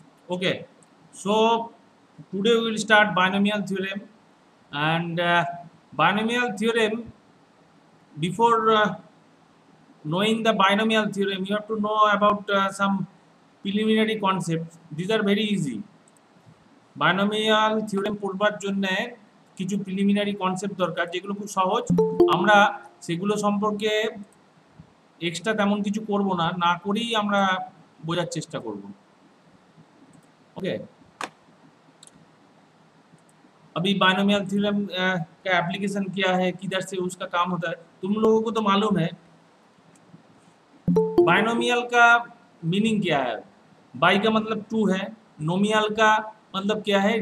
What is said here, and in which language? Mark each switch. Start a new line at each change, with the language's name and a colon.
English: Okay, so today we will start binomial theorem, and binomial theorem, before knowing the binomial theorem, you have to know about some preliminary concepts. These are very easy.
Bangla: Binomial theorem পড়বার জন্য কিছু preliminary concept দরকার, যেগুলো খুব সহজ। আমরা সেগুলো সম্পর্কে এক্সট্রা তেমন কিছু করব না, না করেই আমরা বোঝার চেষ্টা করব।
Hindi: ওকে, अभी binomial theorem का application क्या है, किधर से उसका काम होता है, तुम लोगों को तो मालूम है। binomial का meaning क्या है? By का मतलब two है, nominal का मतलब क्या है?